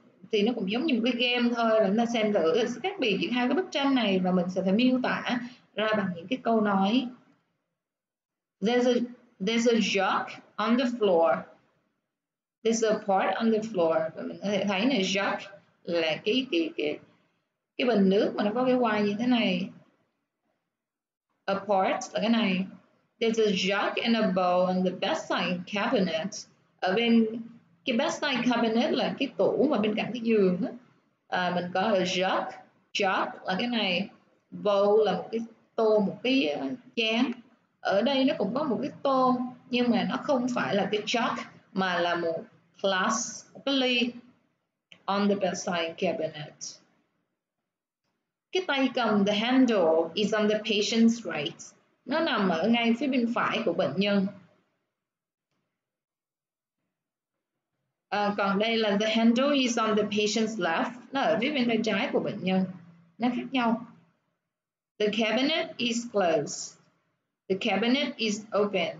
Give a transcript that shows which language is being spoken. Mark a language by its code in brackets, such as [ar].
[vi] Thì nó cũng giống như một cái game thôi. Là chúng ta xem thử sẽ khác biệt giữa hai cái bức tranh này và mình sẽ phải miêu tả ra bằng những cái câu nói. [en] There's a jug on the floor. There's a pot on the floor. [vi] Và mình có thể thấy này, jug là cái bình nước mà nó có cái quai như thế này. A pot là cái này. [en] There's a jug and a bowl on the bedside cabinet. [vi] Ở bên cái bedside cabinet là cái tủ mà bên cạnh cái giường á. Mình có a jug. Jug là cái này. Bowl là một cái tô, một cái chén. Ở đây nó cũng có một cái tô nhưng mà nó không phải là cái jug mà là một glass, một cái ly [en] on the bedside cabinet. [vi] Cái tay cầm, [en] the handle is on the patient's right. [vi] Nó nằm ở ngay phía bên phải của bệnh nhân. Còn đây là [en] the handle is on the patient's left. [vi] Nó ở phía bên trái của bệnh nhân. Nó khác nhau. [en] The cabinet is closed. The cabinet is open.